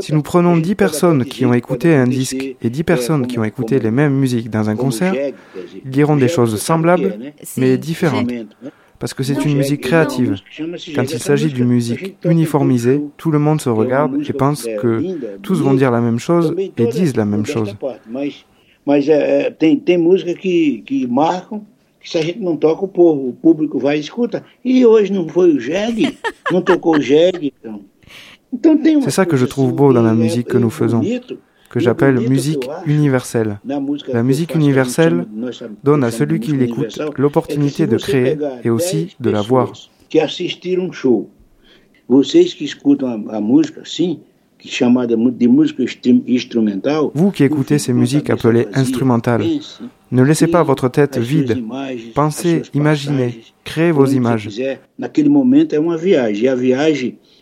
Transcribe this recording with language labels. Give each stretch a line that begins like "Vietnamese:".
French: Si nous prenons 10 personnes qui ont écouté un disque et 10 personnes qui ont écouté les mêmes musiques dans un concert, ils diront des choses semblables, mais différentes. Parce que c'est une musique créative. Quand il s'agit d'une musique uniformisée, tout le monde se regarde et pense que tous vont dire la même chose et disent la même chose.
Portuguese: Mais tem música que marcam, que se a gente não toca, o público vai e escuta. E hoje não foi o jegue, não tocou o jegue.
French: C'est ça que je trouve beau dans la musique que nous faisons. Que j'appelle musique universelle. La musique universelle donne à celui qui l'écoute l'opportunité de créer et aussi de la voir.
Portuguese: Que assistir um show. Vocês que escutam a música assim, que chamada de música instrumental.
French: Vous qui écoutez ces musiques appelées instrumentales, ne laissez pas votre tête vide. Pensez, imaginez, créez vos images.
Portuguese: Naquele momento é uma viagem, e a viagem